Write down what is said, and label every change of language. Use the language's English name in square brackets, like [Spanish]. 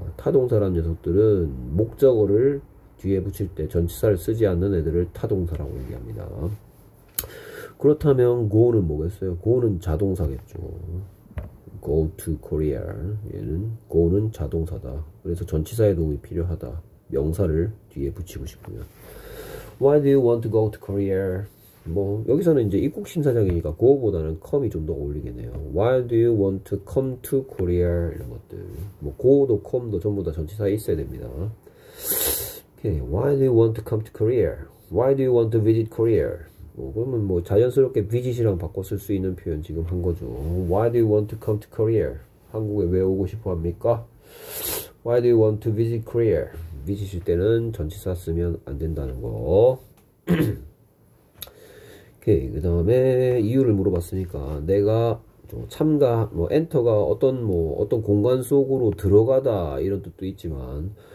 [Korean] 타동사란 녀석들은 목적어를 뒤에 붙일 때 전치사를 쓰지 않는 애들을 타동사라고 얘기합니다. 그렇다면 go는 뭐겠어요? go는 자동사겠죠. [English] go to Korea. [Korean] 얘는 go는 자동사다. 그래서 전치사의 도움이 필요하다. 명사를 뒤에 붙이고 싶으면. [English] Why do you want to go to Korea? [Korean] 뭐 여기서는 이제 입국 심사장이니까 go보다는 come이 좀더 어울리겠네요. [English] Why do you want to come to Korea? [Korean] 이런 것들. 뭐 go도 come도 전부 다 전치사에 있어야 됩니다. Okay. [English] Why do you want to come to Korea? Why do you want to visit Korea? [Korean] 뭐, 그러면 뭐 자연스럽게 visit이랑 바꿨을 수 있는 표현 지금 한 거죠. [English] Why do you want to come to Korea? [Korean] 한국에 왜 오고 싶어 합니까? [English] Why do you want to visit Korea? [Korean] visit일 때는 전치사 쓰면 안 된다는 거. 오케이. 그 다음에 이유를 물어봤으니까 내가 참가, 뭐 엔터가 어떤 뭐 어떤 공간 속으로 들어가다 이런 뜻도 있지만.